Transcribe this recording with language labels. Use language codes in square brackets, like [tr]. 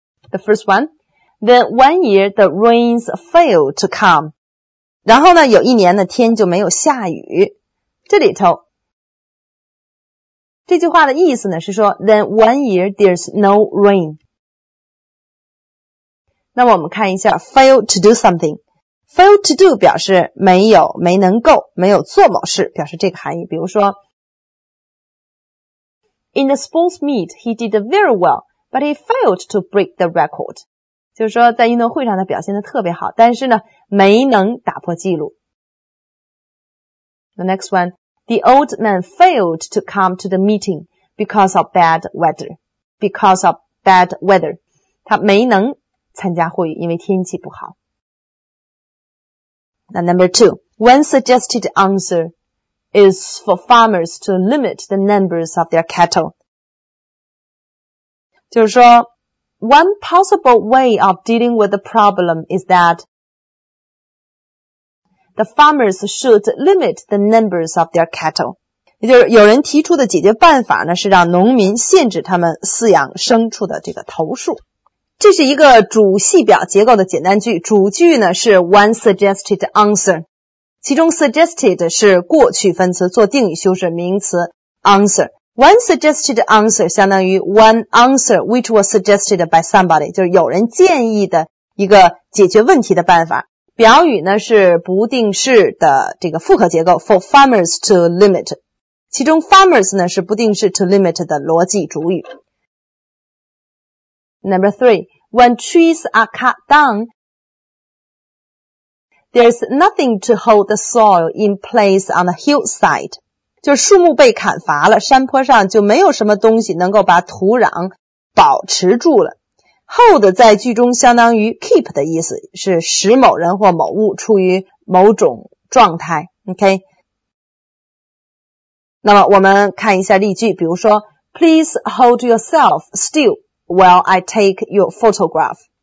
[en] The first one, then one year the rains failed to come. [zh] 然后呢，有一年的天就没有下雨。这里头，这句话的意思呢，是说 [en] then one year there's no rain. [zh] 那么我们看一下 fail to do something. Fail to do 表示没有、没能够、没有做某事，表示这个含义。比如说 [en] In the sports meet, he did very well, but he failed to break the record. [zh] 就是说在运动会上他表现得特别好，但是呢，没能打破记录。 [en] The next one, the old man failed to come to the meeting because of bad weather. Because of bad weather. [zh] 他没能参加会议，因为天气不好。 [en] Now, number two, one suggested answer is for farmers to limit the numbers of their cattle. [zh] 就是说 [en] one possible way of dealing with the problem is thatThe farmers should limit the numbers of their cattle. [zh] 也就是有人提出的解决办法呢，是让农民限制他们饲养牲畜的这个头数。这是一个主系表结构的简单句，主句呢是 one suggested answer. 其中 suggested 是过去分词，做定语修饰名词 answer. One suggested answer 相当于 [en] one answer which was suggested by somebody, [zh] 就是有人建议的一个解决问题的办法。表语呢是不定式的这个复合结构 for farmers to limit. 其中 farmers 呢是不定式 to limit 的逻辑主语。 [en] Number three, when trees are cut down, there's nothing to hold the soil in place on the hillside. [zh] 就树木被砍伐了，山坡上就没有什么东西能够把土壤保持住了。 Hold 在句中相当于 keep 的意思，是使某人或某物处于某种状态。 [en] OK， [zh] 那么我们看一下例句，比如说 [en] ，Please hold yourself still while I take your photograph。